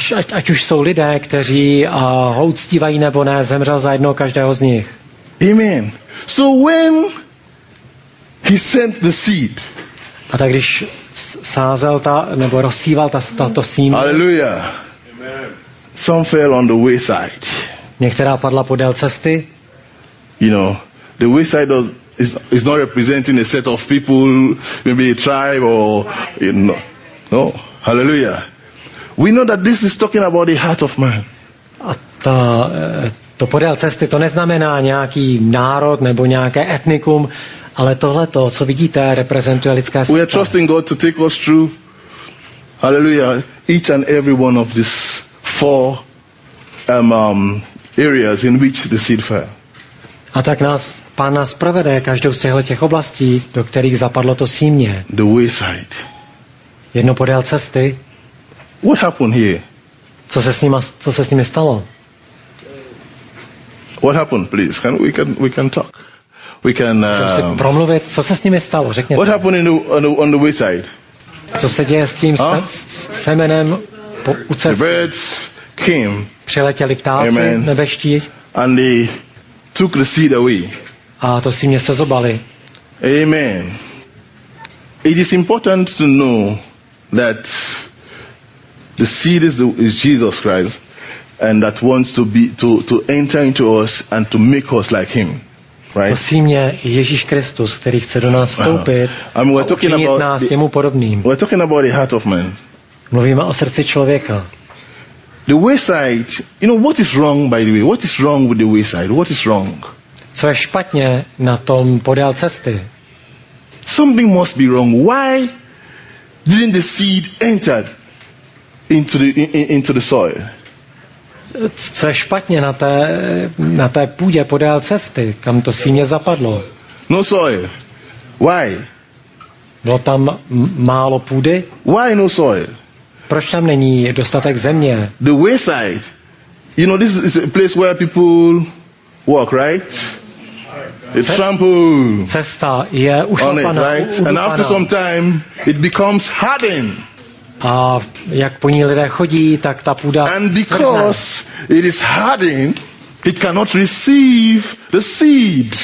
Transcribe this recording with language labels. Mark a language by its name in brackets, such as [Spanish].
[Czech] Ať už jsou lidé, kteří ho uctívají nebo ne, zemřel za jednoho každého z nich. [English] Amen. So when he sent the seed. [Czech] A tak když sázel ta nebo rozsíval to semeno. Hallelujah. Amen. [English] Some fell on the wayside. [Czech] Některá padla podél cesty. [English] You know, the wayside is not representing a set of people, maybe a tribe or, you know. No. Hallelujah. We know that this is talking about the heart of man. [Czech] A to podél cesty, to neznamená nějaký národ nebo nějaké etnikum, ale tohle to, co vidíte, reprezentuje lidské srdce. [English] We are trusting God to take us through, hallelujah, each and every one of these four areas in which the seed fell. [Czech] A tak nás Pán nás provede každou z těch oblastí, do kterých zapadlo to sémě. [English] The wayside. [Czech] Jedno podél cesty. [English] What happened here? [Czech] Co se s nimi stalo? [English] What happened, please? Can we talk? We can [Czech] si promluvit, co se s nimi stalo, řekněte. [English] What happened on the wayside? [Czech] Co se děje s tím semenem u cesty? [English] The birds came. [Czech] Přiletěli ptáci nebeští. [English] And they took the seed away. [Czech] A to si mě sezobali. Amen. [English] It is important to know that the seed is Jesus Christ, and that wants to enter into us and to make us like him, right? [Czech] To sémě Ježíš Kristus, který chce do nás vstoupit. [English] I mean, we're talking about the heart of man. [Czech] Mluvíme o srdci člověka. [English] The wayside, you know, what is wrong, by the way? What is wrong with the wayside? What is wrong? [Czech] Co je špatně na tom podél cesty? [English] Something must be wrong. Why didn't the seed enter? into the soil. [Czech] Co je špatně na té půdě podél cesty, kam to síně zapadlo? [English] No soil. Why? [Czech] Bylo tam málo půdy? [English] Why no soil? [Czech] Proč tam není dostatek země? [English] The wayside. You know, this is a place where people walk, right? It's trampled. [Czech] Cesta je ušlapaná, [English] right? And after some time, it becomes hardened. [Czech] A jak po ní lidé chodí, tak ta půda. [English] And because it is hardened, it cannot receive the seed.